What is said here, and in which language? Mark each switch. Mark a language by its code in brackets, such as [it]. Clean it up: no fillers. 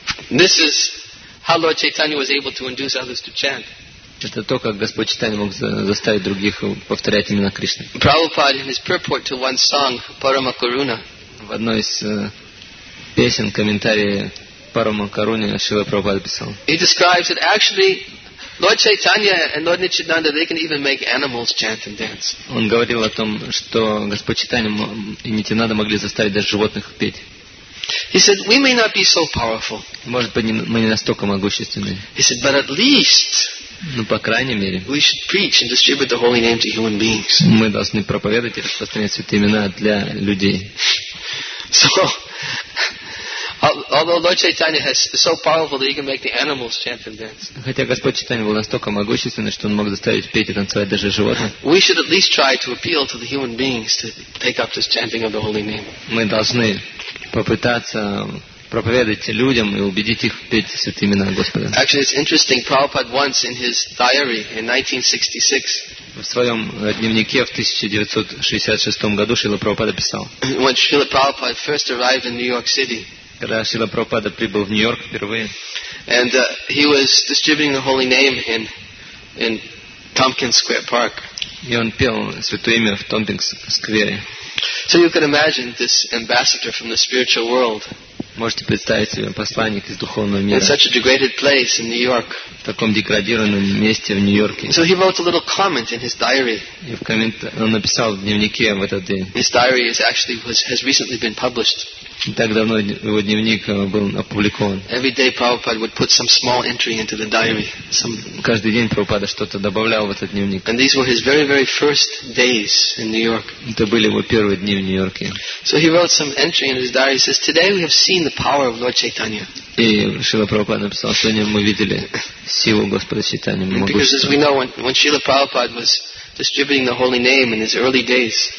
[en] This is how Lord Chaitanya was able to induce others to chant. [ru] Это то, как Господь Чайтанья мог заставить других повторять имена Кришны. [en] Prabhupada, in his purport to one song, Parama Karuna, [ru] в одной из песен, комментарии Парама Каруни, Шрила Прабхупада писал. [en] He describes that actually Lord Chaitanya and Lord Nityananda, they can even make animals chant and dance. [ru] Он говорил о том, что Господь Чайтанья и Нитинанда могли заставить даже животных петь. [en] He said, "We may not be so powerful." [ru] Может быть, мы не настолько могущественны. [en] He said, "But at least." [ru] Ну, по крайней мере. [en] We should preach and distribute the holy name to human beings. [ru] Мы должны проповедовать и распространять святые имена для людей. [en] So, although Lord Chaitanya has so powerful that he can make the animals chant and dance. [ru] Хотя Господь Чайтанья был настолько могущественный, что он мог заставить петь и танцевать даже животных. [en] We should at least try to appeal to the human beings to take up this chanting of the holy name. [ru] Мы должны попытаться проповедуйте людям и убедите их петь святые имена Господа. [en] Actually, it's interesting. Prabhupada once in his diary in 1966. [ru] В своем дневнике в 1966 году Шрила Прабхупада писал. [en] When Shrila Prabhupada first arrived in New York City. [ru] Когда Шрила Прабхупада прибыл в Нью-Йорк впервые. [en] And he was distributing the holy name in Tompkins Square Park. [ru] И он пел святое имя в Tompkins Square. [en] So you could imagine this ambassador from the spiritual world. [ru] Можете представить себе посланник из духовного мира. [en] In such a degraded place in New York. [ru] В таком деградированном месте в Нью-Йорке. [en] So he wrote a little comment in his diary. [ru] И в коммент он написал в дневнике в этот день. [en] His diary has recently been published. [ru] И так давно его дневник был опубликован. [en] Every day Prabhupada would put some small entry into the diary. [ru] Каждый день Прабхупада что-то добавлял в этот дневник. [en] And these were his very very first days in New York. [ru] Это были его первые дни в Нью-Йорке. [en] So he wrote some entry in his diary. He says, "Today we have seen the power of Lord Chaitanya." [ru] И Шрила Прабхупада написал, сегодня мы видели силу Господа Чайтанья. [en] Because as we know, when Шрила Прабхупада was distributing the holy name in his early days.